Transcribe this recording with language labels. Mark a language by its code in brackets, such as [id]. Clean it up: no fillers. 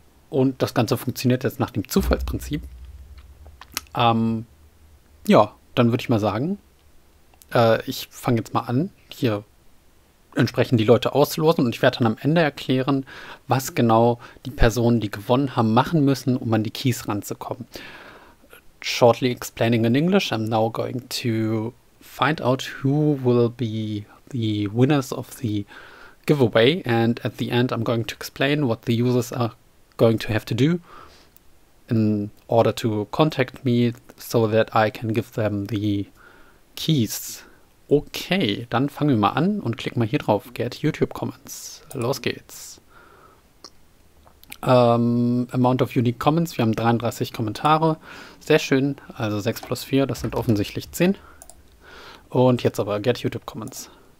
[de] Und das Ganze funktioniert jetzt nach dem Zufallsprinzip. Ja, dann würde ich mal sagen, ich fange jetzt mal an, hier entsprechend die Leute auslosen und ich werde dann am Ende erklären, was genau die Personen, die gewonnen haben, machen müssen, um an die Keys ranzukommen. [en] Shortly explaining in English, I'm now going to find out who will be the winners of the giveaway and at the end I'm going to explain what the users are going to have to do in order to contact me so that I can give them the keys. [de] Okay, dann fangen wir mal an und klicken mal hier drauf. [en] Get YouTube Comments. [de] Los geht's. [en] Amount of Unique Comments. [de] Wir haben 33 Kommentare. Sehr schön. Also 6 plus 4, das sind offensichtlich 10. Und jetzt aber [en] Get YouTube Comments.